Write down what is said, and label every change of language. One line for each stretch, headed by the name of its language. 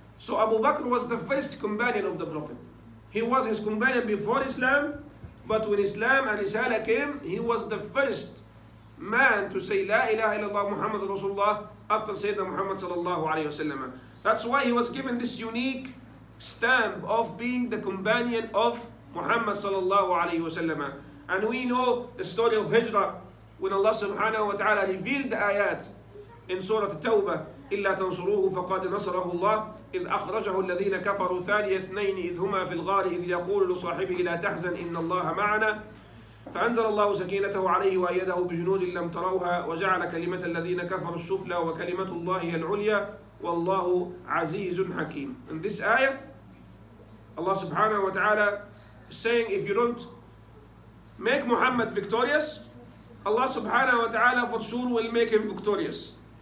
English: So Abu Bakr was the first companion of the Prophet. He was his companion before Islam, but when Islam and Risala came, he was the first man to say La ilaha illallah Muhammad Rasulullah after Sayyidina Muhammad sallallahu alayhi wa sallam. That's why he was given this unique stamp of being the companion of Muhammad sallallahu alayhi wa sallam. And we know the story of Hijra, when Allah subhanahu wa ta'ala revealed the ayat in Surah At-Tawbah,
Arabic: إِلَّا تَنْصُرُوهُ فَقَدْ نَصَرَهُ اللَّهُ إِذْ أَخْرَجَهُ الَّذِينَ كَفَرُوا ثَانِيَ اثْنَيْنِ إِذْ هُمَا فِي الْغَارِ إِذْ يَقُولُ لِصَاحِبِهِ لَا تَحْزَنْ إِنَّ اللَّهَ مَعَنَا فَأَنزَلَ اللَّهُ سَكِينَتَهُ عَلَيْهِ وَأَيَّدَهُ بِجُنُودٍ لَّمْ تَرَوْهَا وَجَعَلَ كَلِمَةَ الَّذِينَ كَفَرُوا السُّفْلَى وَكَلِمَةُ اللَّهِ هِيَ الْعُلْيَا وَاللَّهُ عَزِيزٌ حَكِيمٌ.
English: In this ayah, Allah subhanahu wa ta'ala is saying, if you don't make Muhammad victorious, Allah subhanahu wa ta'ala for sure will make him victorious.